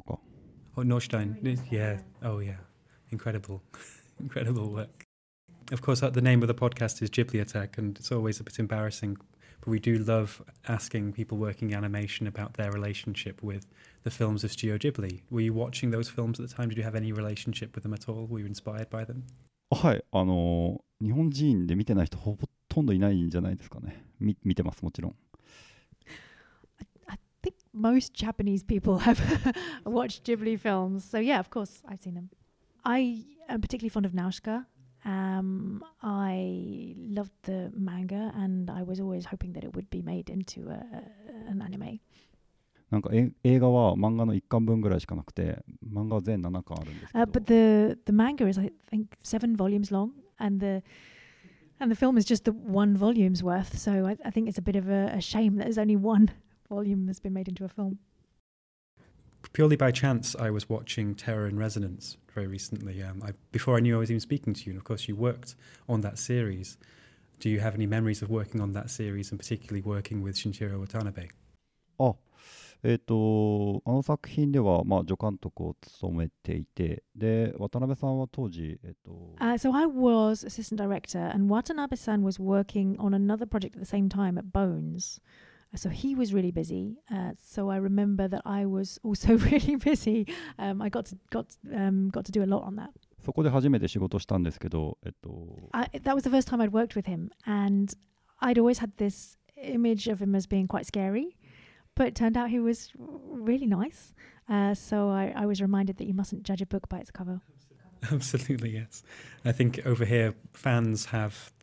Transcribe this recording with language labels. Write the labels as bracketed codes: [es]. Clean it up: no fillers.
[en] Oh, Norstein. Yeah. Oh, yeah. Incredible. Incredible work. Of course, the name of the podcast is Ghibli Attack, and it's always a bit embarrassing, but we do love asking people working animation about their relationship with the films of Studio Ghibli. Were you watching those films at the time? Did you have any relationship with them at all? Were you inspired by them? [ja] はい、日本人で見てない人ほとんどいないんじゃないですかね。見てます、もちろん。 [en] I think most Japanese people have watched Ghibli films, so yeah, of course, I've seen them. I am particularly fond of Nausicaa. I loved the manga and I was always hoping that it would be made into an anime. [ja] なんか映画は漫画の1巻分ぐらいしかなくて、漫画は全7巻あるんですけど。 [en] But the manga is I think 7 volumes long and the film is just the one volume's worth, so I think it's a bit of a shame that there's only one volume that's been made into a film. Purely by chance, I was watching Terror in Resonance very recently. Before I knew I was even speaking to you, and of course you worked on that series. Do you have any memories of working on that series and particularly working with Shinichiro Watanabe? [ja] あの作品では、まあ、助監督を務めていて、で、渡辺さんは当時、 [en] So I was assistant director, and Watanabe-san was working on another project at the same time at Bones. So he was really busy. So I remember that I was also really busy. I got to do a lot on that. [ja] そこで初めて仕事したんですけど、 [en] That was the first time I'd worked with him. And I'd always had this image of him as being quite scary. But it turned out he was really nice. So I was reminded that you mustn't judge a book by its cover. Absolutely, yes. I think over here, fans have